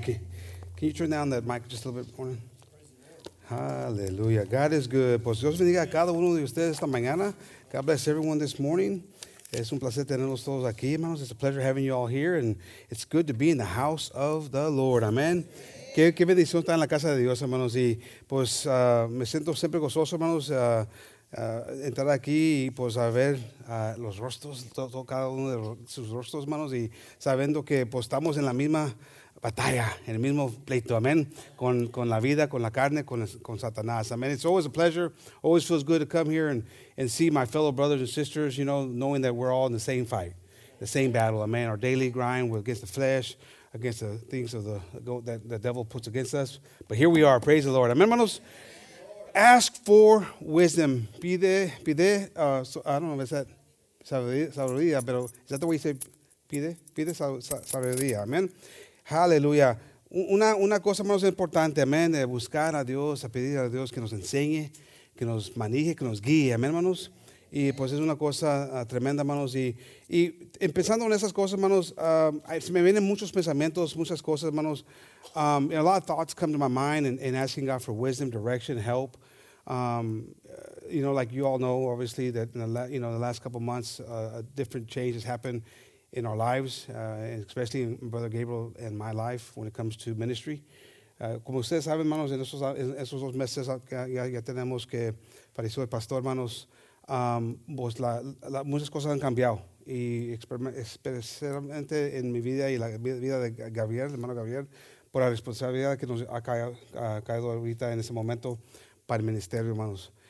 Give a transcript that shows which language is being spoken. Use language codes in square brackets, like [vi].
[en] Can you turn down that mic just a little bit for me? Hallelujah. God is good. [es] Pues Dios bendiga a cada uno de ustedes esta mañana. [en] God bless everyone this morning. [es] Es un placer tenerlos todos aquí, hermanos. [en] It's a pleasure having you all here, and it's good to be in the house of the Lord. Amen. [es] Qué bendición estar en la casa de Dios, hermanos. Y pues me siento siempre gozoso, hermanos, entrar aquí y pues a ver los rostros, todo cada uno de sus rostros, hermanos, y sabiendo que pues estamos en la misma batalla, en el mismo pleito, amén, con la vida, con la carne, con Satanás, amén. [en] It's always a pleasure, always feels good to come here and see my fellow brothers and sisters, you know, knowing that we're all in the same fight, the same battle, amén, our daily grind against the flesh, against the things of that the devil puts against us, but here we are, praise the Lord, amén, hermanos. Ask for wisdom, pide, I don't know, is that sabiduría, pero is that the way you say [es] pide sabiduría, [en] amén. Hallelujah. [es] Una cosa más importante, amén, de buscar a Dios, a pedir a Dios que nos enseñe, que nos maneje, que nos guíe, amén, hermanos. Y pues es una cosa tremenda, hermanos. Y empezando en esas cosas, hermanos, se me vienen muchos pensamientos, muchas cosas, hermanos. [en] A lot of thoughts come to my mind in asking God for wisdom, direction, help. You know, like you all know, obviously, that in the last couple months, a different change has happened in our lives, especially in Brother Gabriel and my life when it comes to ministry. [es] Como ustedes saben, hermanos, en esos dos meses ya tenemos que falleció el pastor, hermanos, pues la muchas cosas han cambiado. Y especialmente en mi vida y la vida de Gabriel, hermano Gabriel, por la responsabilidad que nos ha caído ahorita en este momento para el ministerio, hermanos.